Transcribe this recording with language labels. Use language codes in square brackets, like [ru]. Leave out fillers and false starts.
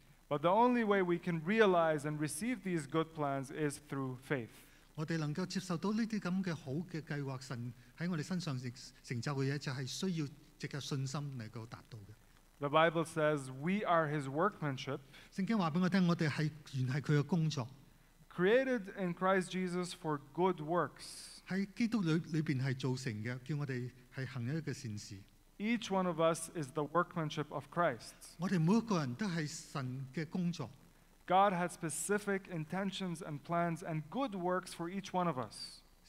[en] but the only way we can realize and receive these good plans is through faith. [zh] 我们能够接受到这些好的计划，神在我们身上成就的事，就是需要藉着信心来达到的。 [en] The Bible says we are his workmanship. [zh] 圣经告诉我们，我们是原是他的工作。 [en] Created in Christ Jesus for good works. [zh] 在基督里面是造成的, 叫我们是行一个善事。 [en] Each one of us is the workmanship of Christ. God has specific intentions and plans and good works for each one of us.